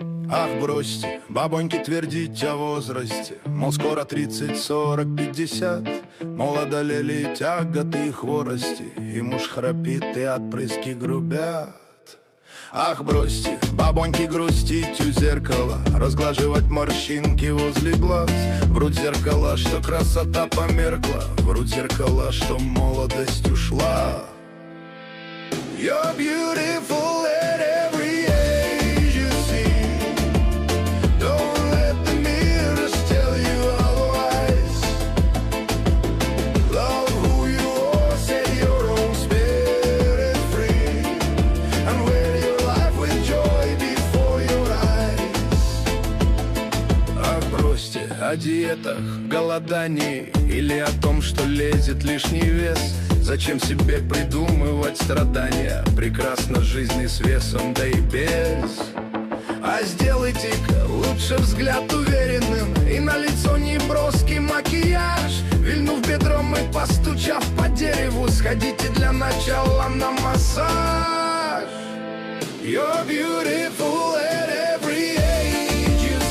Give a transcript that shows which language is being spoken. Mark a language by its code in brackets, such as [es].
[ru] Ах, бросьте, бабоньки, твердить о возрасте, мол, скоро 30, 40, 50, мол, одолели тяготы и хворости, и муж храпит, и отпрыски грубят. Ах, бросьте, бабоньки, грустить у зеркала, разглаживать морщинки возле глаз. Врут зеркала, что красота померкла, врут зеркала, что молодость ушла. [en] You're beautiful at every age you see. Don't let the mirrors tell you otherwise. Love who you are, set your own spirit free. And wear your life with joy before your eyes. [ru] Ах, бросьте о диетах, голодании, или о том, что лезет лишний вес. Зачем себе придумывать страдания? Прекрасна жизнь и с весом, да и без. А сделайте-ка лучше взгляд уверенным и на лицо неброский макияж. Вильнув бедром и постучав по дереву, сходите для начала на массаж. [en] You're beautiful at every age.